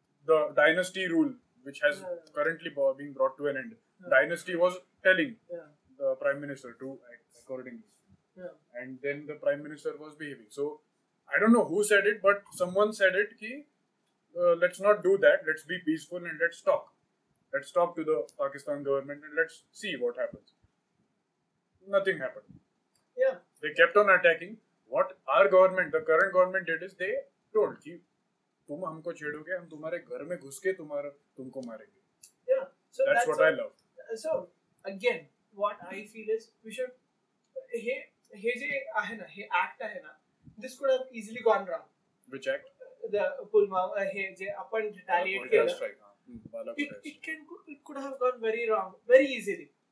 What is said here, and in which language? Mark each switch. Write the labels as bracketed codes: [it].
[en] the dynasty rule which has currently being brought to an end dynasty was telling the prime minister to act accordingly and then the prime minister was behaving so I don't know who said it but someone said it ki let's not do that let's be peaceful and let's talk to the Pakistan government and let's see what happens nothing happened yeah they kept on attacking what our government the current government did is they told ki [hi] तुम हमको छेड़ोगे हम तुम्हारे घर में घुस के तुम्हारा तुमको मारेंगे [en] yeah. so that's what I love so again what I feel is we should [mr] he je ahe na he act ahe na [en] this could have easily gone wrong which act [mr] the Pulwama he je apan retaliate [hi] kiya [en] it could have gone very wrong very easily